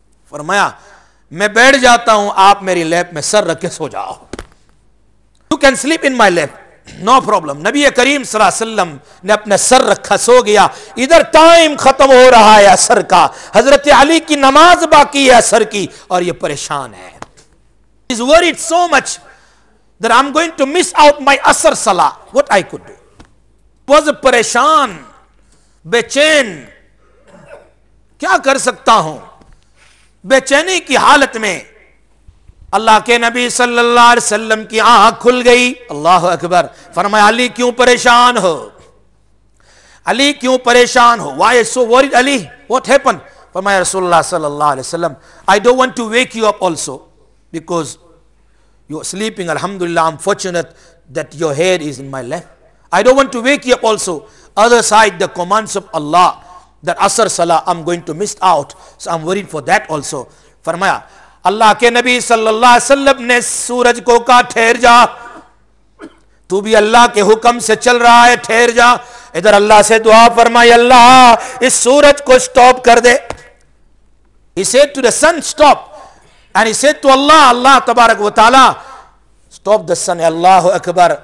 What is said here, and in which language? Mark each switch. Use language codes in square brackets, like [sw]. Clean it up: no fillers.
[ur] فرمایا میں بیٹھ جاتا ہوں، آپ میری لیف میں سر رکھ کے سو جاؤ. [en] You can sleep in my lap, no problem. [ur] نبی کریم صلی اللہ علیہ وسلم نے اپنے سر رکھا، سو گیا. ادھر ٹائم ختم ہو رہا ہے عصر کا، حضرت علی کی نماز باقی ہے عصر کی اور یہ پریشان ہے. [en] He's worried so much that I'm going to miss out my عصر صلاح. What I could do. Was [ur] پریشان، بے چین، کیا کر سکتا ہوں. بے چینی کی حالت میں اللہ کے نبی صلی اللہ علیہ وسلم کی آنکھ کھل گئی. اللہ اکبر. فرمایا علی کیوں پریشان ہو، علی کیوں پریشان ہو، [en] why so worried [ur] Ali, [en] what happened. فرمایا رسول اللہ صلی اللہ علیہ وسلم، I don't want to wake you up also because you're sleeping. Alhamdulillah, I'm fortunate that your head is in my lap. I don't want to wake you up also. Other side the commands of Allah that asr salah I'm going to miss out, so I'm worried for that also. [ur] فرمایا اللہ کے نبی صلی اللہ علیہ وسلم نے سورج کو کہا، ٹھہر جا، تو بھی اللہ کے حکم سے چل رہا ہے، ٹھہر جا. ادھر اللہ سے دعا فرمائی، اللہ اس سورج کو سٹاپ کر دے. [en] He said to the sun stop and he said to Allah, اللہ تبارک و تعالی stop the sun. اللہ اکبر.